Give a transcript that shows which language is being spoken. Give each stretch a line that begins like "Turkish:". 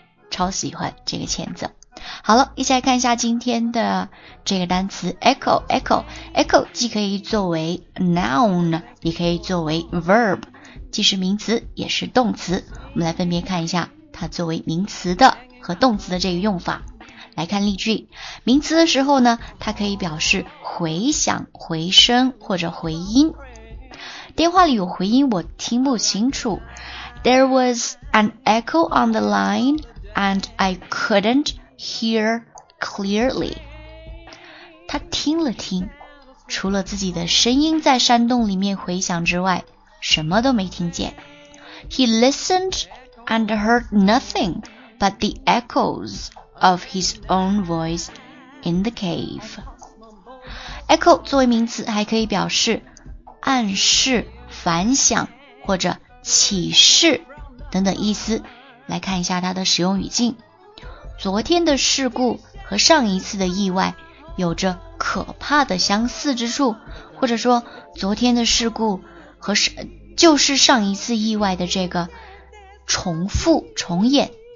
Chinese: 超喜欢这个前奏。好了，一起来看一下今天的这个单词 echo， echo， echo 既可以作为 noun， 也可以作为 verb， 既是名词也是动词。我们来分别看一下它作为名词的和动词的这个用法。来看例句，名词的时候呢，它可以表示回响、回声或者回音。电话里有回音，我听不清楚。
English: There was an echo on the line, and I couldn't hear clearly.
Chinese: 他听了听，除了自己的声音在山洞里面回响之外，什么都没听见。
English: He listened and heard nothing but the echoes of his own voice in the cave.
Chinese: Echo 作为名词还可以表示暗示、反响或者启示等等意思。来看一下它的使用语境，昨天的事故和上一次的意外有着可怕的相似之处，或者说昨天的事故和就是上一次意外的这个重复重演。